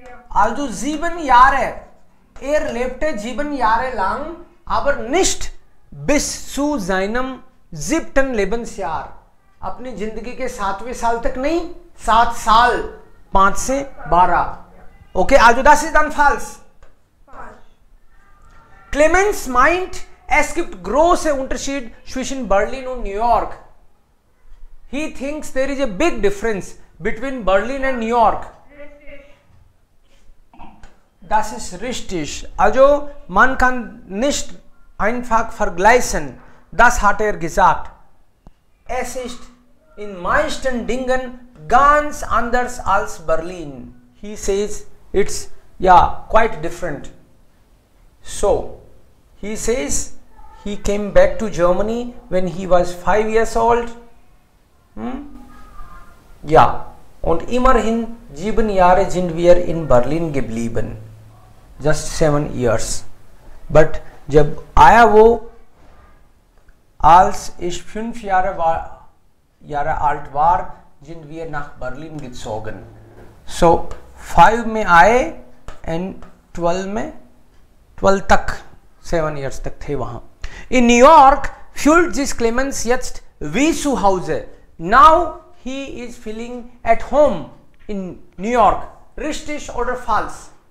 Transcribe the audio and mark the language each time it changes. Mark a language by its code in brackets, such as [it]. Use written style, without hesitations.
[de] Also sieben Jahre, lebte sieben Jahre lang, aber nicht bis zu seinem siebten Lebensjahr. [hi] अपनी जिंदगी के सातवें साल तक नहीं, सात साल, पांच से बारह. [de] ओके, also das ist dann falsch. Clemens meint, es gibt große Unterschied zwischen Berlin und New York. [en] He thinks there is a big difference between Berlin and New York. [de] Das ist richtig. Also, man kann nicht einfach vergleichen. Das hat gesagt. Es ist in meisten Dingen ganz anders als Berlin. [en] He says it's, yeah, quite different. So, he says he came back to Germany when he was 5 years old. Yeah. [de] Und immerhin sieben Jahre sind wir in Berlin geblieben. [en] Just 7 years. But [hi] जब आया वो [de] als ich 5 Jahre alt war, sind wir nach Berlin gezogen. [hi] So 5 में आए and 12 में, 12 तक, [en] 7 years [hi] तक थे वहां. [de] In New York, Fields is Clemens jetzt wie zu Hause. [en] Now he is feeling at home in New York. [de] Richtig oder falsch?